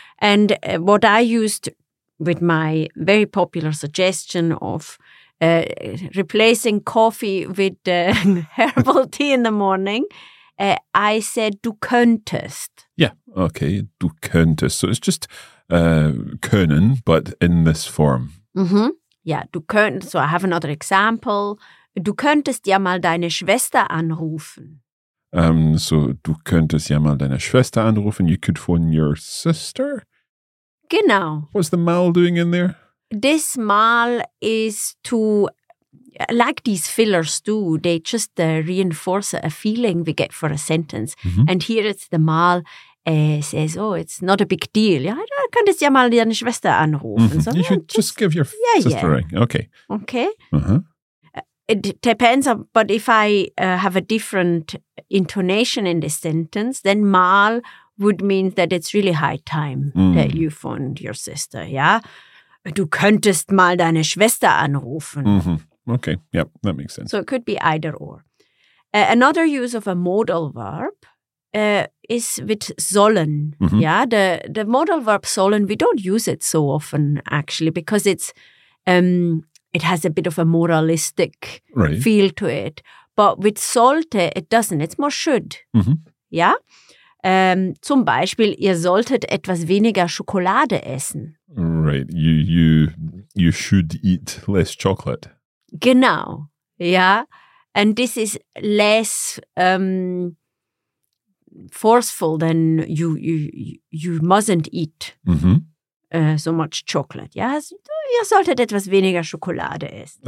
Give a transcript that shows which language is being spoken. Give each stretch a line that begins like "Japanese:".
English: And what I used with my very popular suggestion of replacing coffee with herbal tea in the morning, I said,
German: du könntest. Yeah. Okay. Du könntest.
English: So it's just können, but in this form.
German: Mm-hmm. Yeah. Du könntest.
English: So I have another example.
German: Du könntest ja mal deine Schwester anrufen. So, du könntest ja mal deine Schwester anrufen.
English: You could phone your sister?
German: Genau.
English: What's the mal doing in there? This mal is to, like these fillers do, they just reinforce a feeling we get for a sentence. Mm-hmm. And here it's the mal says, oh, it's not a big deal.
German: Ja, du könntest ja mal deine Schwester anrufen. Mm-hmm.
English: So, you should just give your sister a ring. Okay. Okay. Uh-huh. It depends, but if I have a different intonation in this sentence, then mal would mean that it's really high time that you phoned your sister, yeah?
German: Du könntest mal deine Schwester anrufen. Mm-hmm.
English: Okay, yep, that makes sense. So it could be either or. Another use of a modal verb is with sollen, mm-hmm. yeah? The modal verb sollen, we don't use it so often, actually, because it's... it has a bit of a moralistic right. feel to it. But with sollte, it doesn't. It's more should. Mm-hmm.
German: Ja? Zum Beispiel, ihr solltet etwas weniger Schokolade essen.
English: Right. You should eat less chocolate.
German: Genau. Ja?
English: And this is less forceful than you mustn't eat. Mm-hmm. So much chocolate.
German: Ja, ihr solltet etwas weniger Schokolade essen.